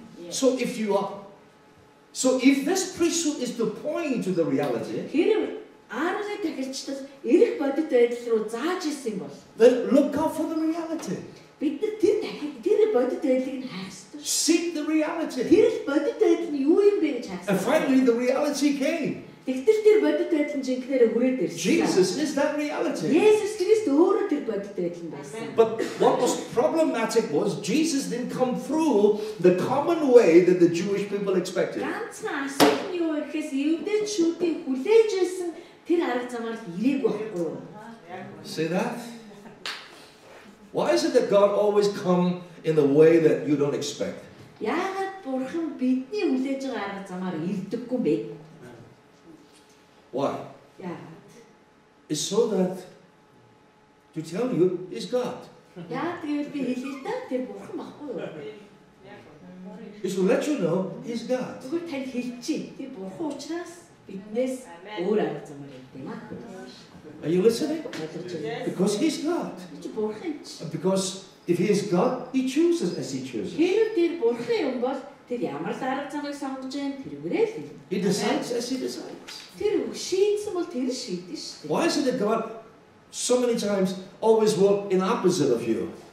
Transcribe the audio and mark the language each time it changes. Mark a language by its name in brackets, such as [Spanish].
[English] So if this priesthood is to point to the reality, then look out for the reality. Seek the reality. And finally the reality came. [Mongolian] Тэгтэл тэр бодит байдлын жинхэнэ хүрээд ирсэн. [English] Jesus is that reality. [Mongolian] Jesus Christ өөрөө тэр бодит байдал нь байсан. [English] But what was problematic was Jesus didn't come through the common way that the Jewish people expected. [Mongolian] Ганцхан асуудал юу вэ гэхээс юудэчүүдийн хүлээж авсан тэр арга замаар ирээгүй байхгүй. [English] See that? Why is it that God always come in the way that you don't expect? [Mongolian] Яагаад Бурхан бидний хүлээж байгаа арга замаар ирдэггүй юм бэ? [English] Why? Yeah. It's so that to tell you is God. [Mongolian] Яагаад гэвэл би хэлээд тэр Бурхан баггүй юу? [English] It's to let you know is God. [Mongolian] Тэгвэл тань хэлчихье. Тэр Бурхан учраас биднээс өөр арга замаар ирдэг юм аа. [English] Are you listening? Because he's God. Because if he is God, he chooses as he chooses. He decides as he decides. Why is it that God so many times always works in opposite of you?